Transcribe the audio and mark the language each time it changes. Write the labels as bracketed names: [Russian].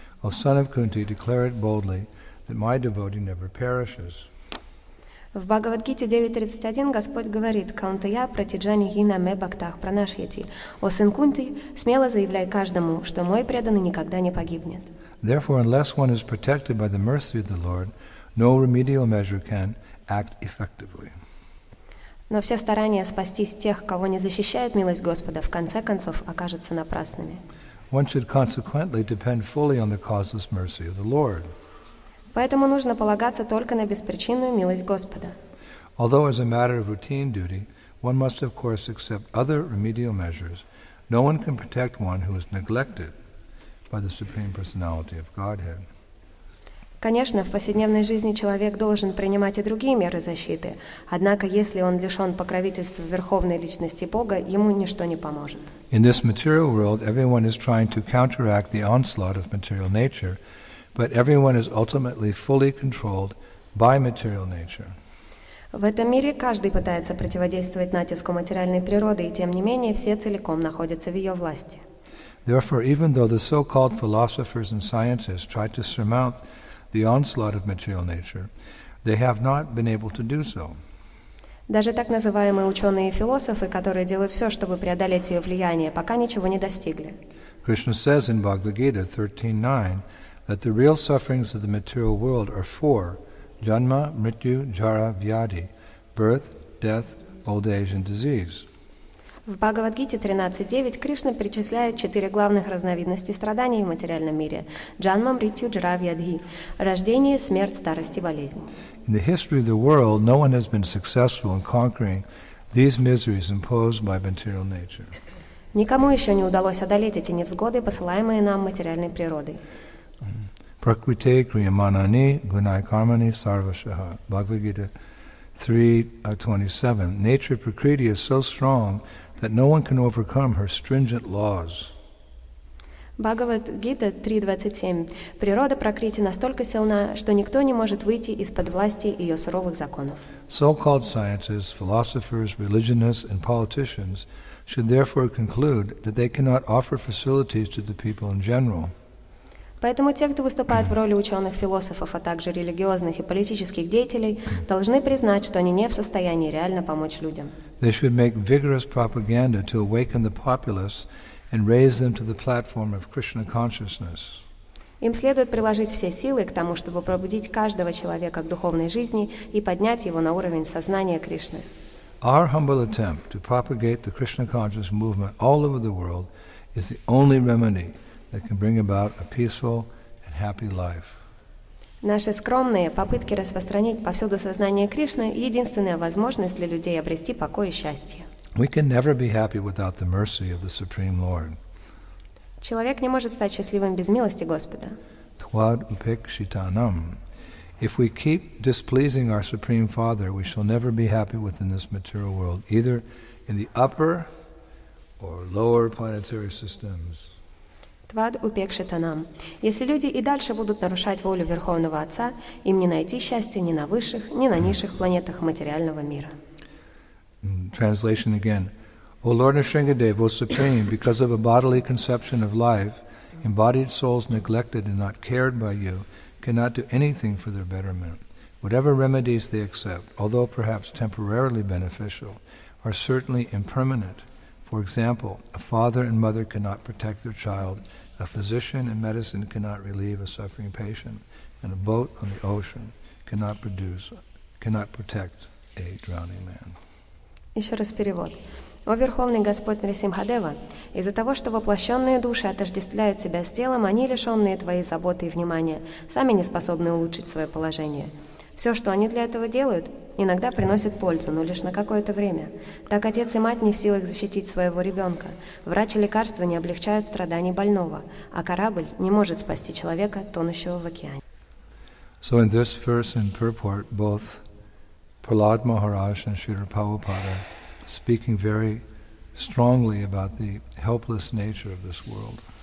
[English] O son of Kunti, declare it boldly that my devotee never perishes. [Russian] В Бхагавад-гите 9.31 Господь говорит [Sanskrit] «Каунтая протиджани гина ме бхактах пранашьяти». [Russian] «О сын Кунти, смело заявляй каждому, что мой преданный никогда не погибнет». [English] Therefore, unless one is protected by the mercy of the Lord, no remedial measure can act effectively. [Russian] Но все старания спастись тех, кого не защищает милость Господа, в конце концов окажутся напрасными. [English] One should consequently depend fully on the causeless mercy of the Lord. [Russian] Поэтому нужно полагаться только на беспричинную милость Господа. [English] Although as a matter of routine duty, one must of course accept other remedial measures, no one can protect one who is neglected by the Supreme Personality of Godhead. [Russian] Конечно, в повседневной жизни человек должен принимать и другие меры защиты, однако если он лишен покровительства Верховной Личности Бога, ему ничто не поможет. [English] In this material world, everyone is trying to counteract the onslaught of material nature, but everyone is ultimately fully controlled by material nature. [Russian] В этом мире каждый пытается противодействовать натиску материальной природы, и тем не менее все целиком находятся в ее власти. [English] Therefore, even though the so-called philosophers and scientists try to surmount the onslaught of material nature, they have not been able to do so. [Russian] Даже так называемые ученые и философы, которые делают все, чтобы преодолеть ее влияние, пока ничего не достигли. [English] Krishna says in Bhagavad Gita 13.9 that the real sufferings of the material world are four: janma, mrityu, jara, vyadi, birth, death, old age and disease. [Russian] В Бхагавад-гите 13.9 Кришна перечисляет четыре главных разновидности страданий в материальном мире: джанма, мритью, джара, вьядхи – рождение, смерть, старость и болезнь. [English] In the history of the world, no one has been successful in conquering these miseries imposed by material nature. [Russian] Никому еще не удалось одолеть эти невзгоды, посылаемые нам материальной природой. [Sanskrit] Пракрите криаманани гунай кармани сарвашаха. [English] Бхагавад-гита 3.27. Nature of Prakriti is so strong that no one can overcome her stringent laws. [Russian] Бхагавад-гита 3.27. Природа Пракрити настолько сильна, что никто не может выйти из-под власти ее суровых законов. [English] So-called scientists, philosophers, religionists and politicians should therefore conclude that they cannot offer facilities to the people in general. [Russian] Поэтому те, кто выступает в роли ученых, философов, а также религиозных и политических деятелей, должны признать, что они не в состоянии реально помочь людям. [English] They should make vigorous propaganda to awaken the populace and raise them to the platform of Krishna consciousness. [Russian] Им следует приложить все силы к тому, чтобы пробудить каждого человека к духовной жизни и поднять его на уровень сознания Кришны. [English] Our humble attempt to propagate the Krishna conscious movement all over the world is the only remedy that can bring about a peaceful and happy life. [Russian] Наши скромные попытки распространить повсюду сознание Кришны — единственная возможность для людей обрести покой и счастье. [English] We can never be happy without the mercy of the Supreme Lord. [Russian] Человек не может стать счастливым без милости Господа. [Sanskrit] Твад упекшитанам. [English] If we keep displeasing our Supreme Father, we shall never be happy within this material world, either in the upper or lower planetary systems. [Sanskrit] Твад упекшитанам. [Russian] Если люди и дальше будут нарушать волю Верховного Отца, им не найти счастья ни на высших, ни на низших планетах материального мира. [English] Translation again. O Lord Nrisimhadev, O Supreme, because of a bodily conception of life, embodied souls neglected and not cared by you cannot do anything for their betterment. Whatever remedies they accept, although perhaps temporarily beneficial, are certainly impermanent. For example, a father and mother cannot protect their child, a physician and medicine cannot relieve a suffering patient, and a boat on the ocean cannot protect a drowning man. [Russian] Еще раз перевод. О Верховный Господь Нрисимхадева, из-за того, что воплощенные души отождествляют себя с телом, они, лишенные твоей заботы и внимания, сами не способны улучшить свое положение. Все, что они для этого делают, иногда приносит пользу, но лишь на какое-то время. Так отец и мать не в силах защитить своего ребенка. Врач и лекарства не облегчают страданий больного, а корабль не может спасти человека, тонущего в океане. [English] So in this verse and purport, both Prahlad Maharaj and Śrīla Prabhupāda speaking very strongly about the helpless nature of this world.